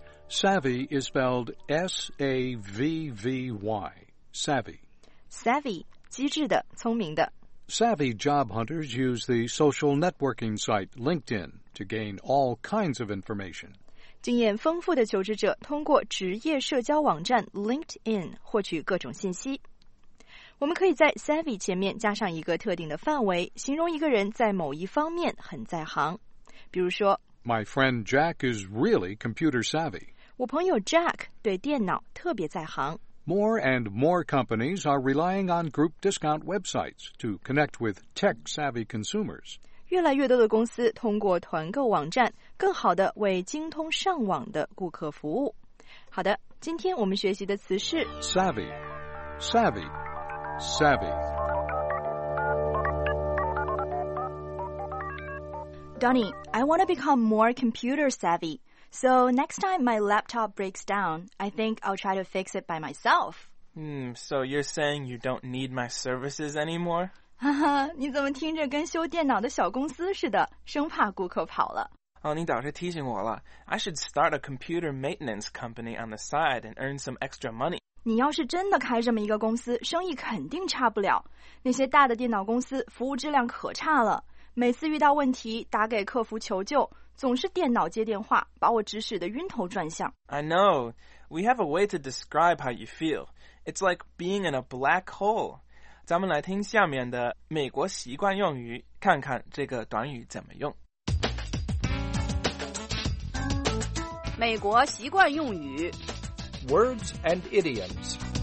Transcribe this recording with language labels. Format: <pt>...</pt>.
<en>Savvy is spelled S-A-V-V-Y, savvy.</en> <zh>Savvy, 机智的，聪明的。</zh> <en>Savvy job hunters use the social networking site LinkedIn to gain all kinds of information.</en> <zh>经验丰富的求职者通过职业社交网站 LinkedIn 获取各种信息。我们可以在 savvy 前面加上一个特定的范围，形容一个人在某一方面很在行。比如说，</zh> <en>My friend Jack is really computer savvy.</en> <zh>我朋友 Jack 对电脑特别在行。</zh> <en>More and more companies are relying on group discount websites to connect with tech-savvy consumers.</en> <zh>越来越多的公司通过团购网站更好地为精通上网的顾客服务。好的，今天我们学习的词是</zh> <en>savvy, savvy, savvy. Donnie, I want to become more computer savvy. So next time my laptop breaks down, I think I'll try to fix it by myself. So you're saying you don't need my services anymore?</en> <zh>哈哈，你怎么听着跟修电脑的小公司似的，生怕顾客跑了。哦，你倒是提醒我了。</zh> <en>I should start a computer maintenance company on the side and earn some extra money.</en> <zh>你要是真的开这么一个公司，生意肯定差不了。那些大的电脑公司服务质量可差了。每次遇到问题打给客服求救，总是电脑接电话，把我指使得晕头转向。</zh> <en>I know. We have a way to describe how you feel. It's like being in a black hole.</en> <zh>咱们来听下面的美国习惯用语，看看这个短语怎么用。美国习惯用语。</zh> <en>Words and idioms.</en>